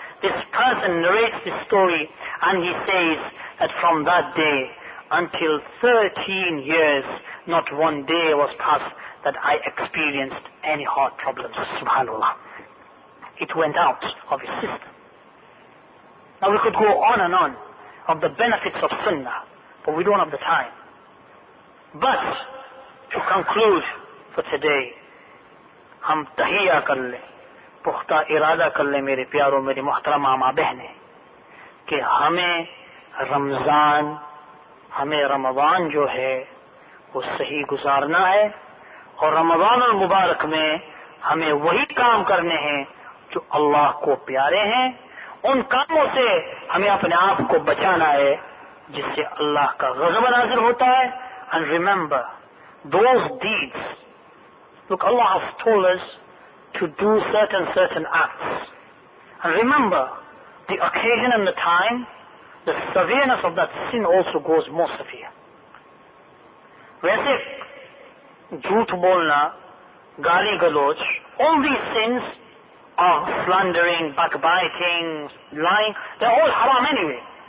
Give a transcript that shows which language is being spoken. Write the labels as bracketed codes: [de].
[en] This person narrates this story, and he says that from that day until 13 years, not one day was passed that I experienced any heart problems. Subhanallah. It went out of his system. Now we could go on and on of the benefits of sunnah, but we don't have the time. But to conclude for today, [ur] ہم تہیا کر لیں پختہ ارادہ کر لیں میرے پیاروں میری محترم ماما بہنیں کہ ہمیں رمضان جو ہے وہ صحیح گزارنا ہے اور رمضان المبارک میں ہمیں وہی کام کرنے ہیں جو اللہ کو پیارے ہیں ان کاموں سے ہمیں اپنے آپ کو بچانا ہے جس سے اللہ کا غضب نازل ہوتا ہے [en] And remember those deeds Look, Allah has told us to do certain acts. And remember, the occasion and the time, the severeness of that sin also goes more severe. [ur] Waise jhoot bolna, gaali galoch, [en] all these sins are slandering, backbiting, lying, they're all haram anyway.